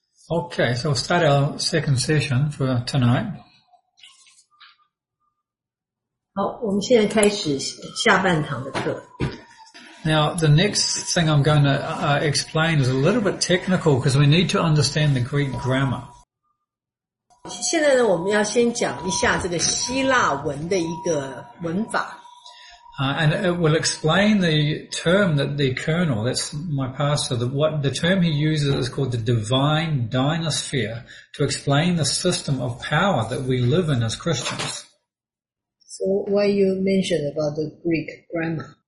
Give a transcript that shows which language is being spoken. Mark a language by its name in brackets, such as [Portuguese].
[English] Okay, so we'll start our second session for tonight. [Chinese] 好，我们现在开始下半堂的课。 [English] Now, the next thing I'm going to explain is a little bit technical because we need to understand the Greek grammar. [Chinese] 现在呢，我们要先讲一下这个希腊文的一个文法。 [English] And it will explain the term that the colonel, that's my pastor, the term he uses is called the divine dynasphere to explain the system of power that we live in as Christians. So why you mentioned about the Greek grammar?